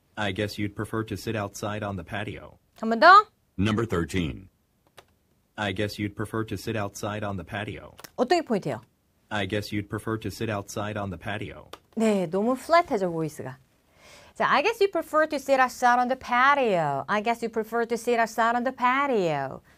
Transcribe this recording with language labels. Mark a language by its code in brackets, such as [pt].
[en] I guess you'd prefer to sit outside on the patio. [ko] 한 번 더 [en] Number 13. I guess you'd prefer to sit outside on the patio. [ko] 어떤 게 포인트예요? [en] I guess you'd prefer to sit outside on the patio. [ko] 네, 너무 플랫해져 보이스가. [en] 자, I guess you'd prefer to sit outside on the patio. I guess you'd prefer to sit outside on the patio.